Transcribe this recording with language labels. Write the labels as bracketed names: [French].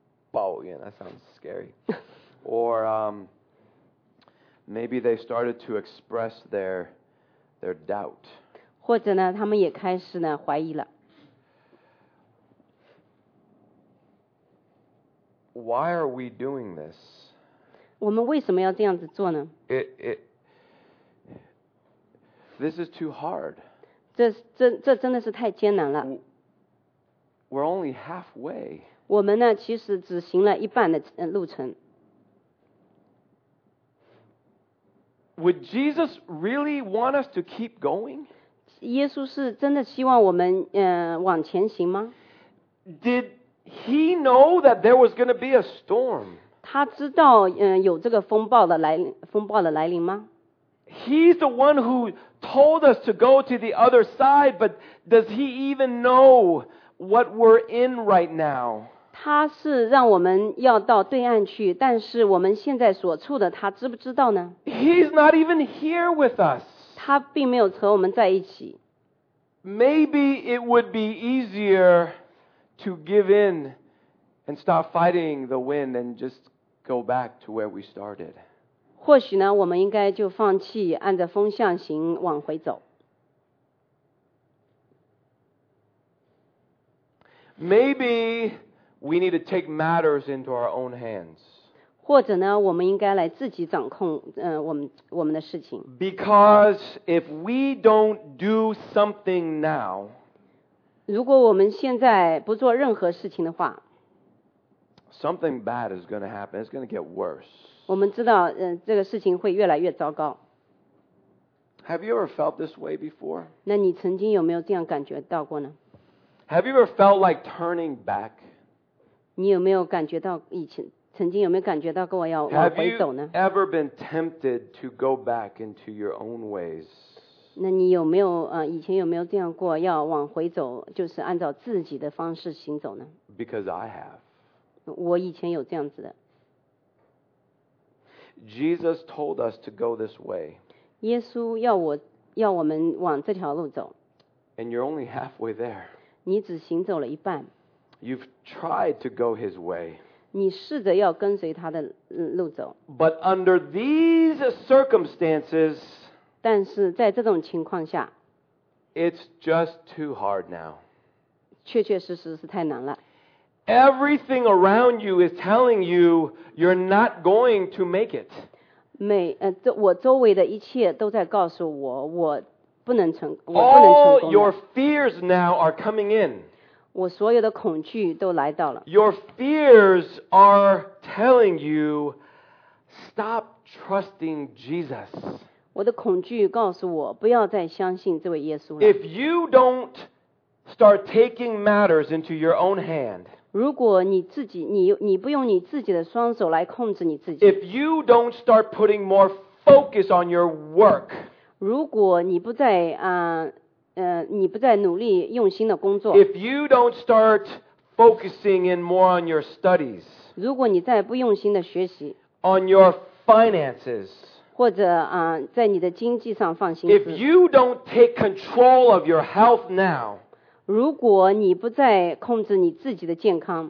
[Chinese] 抱怨 [English] that sounds scary. Or, maybe they started to express their doubt. [Chinese] 或者呢，他们也开始呢怀疑了。 [English] Why are we doing this? [Chinese] 我们为什么要这样子做呢？ [English] This is too hard. [Chinese] 这真的是太艰难了。 [English] We're only halfway. [Chinese] 我们呢，其实只行了一半的路程。 [English] Would Jesus really want us to keep going? [Chinese] 耶稣是真的希望我们往前行吗？ [English] Did he know that there was going to be a storm? [Chinese] 他知道有这个风暴的来临吗？ [English] He's the one who told us to go to the other side, but does he even know what we're in right now? [Chinese] 他是让我们要到对岸去，但是我们现在所处的他知不知道呢？ [English] He's not even here with us. [Chinese] 他并没有和我们在一起。 [English] Maybe it would be easier to give in and stop fighting the wind and just go back to where we started. [Chinese] 或许呢，我们应该就放弃，按着风向行，往回走。 [English] Maybe we need to take matters into our own hands. [Chinese] 或者呢，我们应该来自己掌控，我们的事情。 [English] Because if we don't do something now, [Chinese] 如果我们现在不做任何事情的话， [English] something bad is going to happen. It's going to get worse. [Chinese] 我们知道，这个事情会越来越糟糕。 [English] Have you ever felt this way before? [Chinese] 那你曾经有没有这样感觉到过呢？ [English] Have you ever felt like turning back? [Chinese] 你有没有感觉到以前曾经有没有感觉到过要往回走呢？ [English] Have you ever been tempted to go back into your own ways? [Chinese] 那你有没有以前有没有这样过要往回走，就是按照自己的方式行走呢？ [English] Because I have. [Chinese] 我以前有这样子的。 [English] Jesus told us to go this way. [Chinese] 耶稣要我们往这条路走。 [English] And you're only halfway there. [Chinese] 你只行走了一半。 [English] You've tried to go his way. [Chinese] 你试着要跟随他的路走。 [English] But under these circumstances, [Chinese] 但是在这种情况下， [English] it's just too hard now. [Chinese] 确确实实是太难了。 [English] Everything around you is telling you you're not going to make it. [Chinese] 我周围的一切都在告诉我，我不能成功。 [English] All your fears now are coming in. [Chinese] 我所有的恐惧都来到了。 [English] Your fears are telling you, stop trusting Jesus. [Chinese] 我的恐惧告诉我，不要再相信这位耶稣了。 [English] If you don't start taking matters into your own hand, [Chinese] 如果你自己 你不用你自己的双手来控制你自己， [English] if you don't start putting more focus on your work, [Chinese] 如果你不再你不再努力用心的工作， [English] if you don't start focusing in more on your studies, [Chinese] 如果你再不用心的学习， [English] on your finances, [Chinese] 或者在你的经济上放心思。 [English] If you don't take control of your health now, [Chinese] 如果你不再控制你自己的健康，